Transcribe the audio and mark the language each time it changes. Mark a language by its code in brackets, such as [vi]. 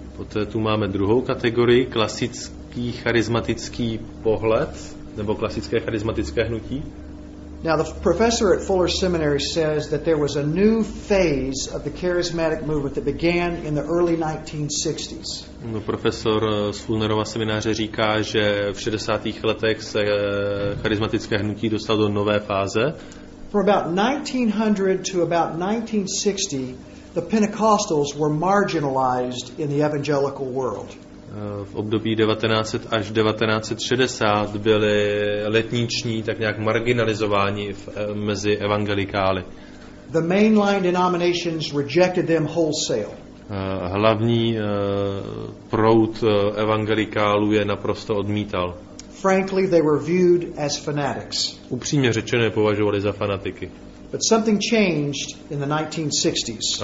[cs] Poté tu máme druhou kategorii, klasický charismatický pohled nebo klasické charismatické hnutí. [en] Now the professor at Fuller Seminary says that there was a new phase of the charismatic movement that began in the early 1960s. [cs] No, profesor z Fullerova semináře říká, že v 60. letech se charismatické hnutí dostalo do nové fáze. [en] From about 1900 to about 1960, the Pentecostals were marginalized in the evangelical world. [cs] V období 1900 až 1960 byli letniční tak nějak marginalizováni mezi evangelikály. [en] The mainline denominations rejected them wholesale. [cs] Hlavní proud evangelikálů je naprosto odmítal. [en] Frankly, they were viewed as fanatics. [cs] Upřímně řečeno, je považovali za fanatiky. [en] But something changed in the 1960s.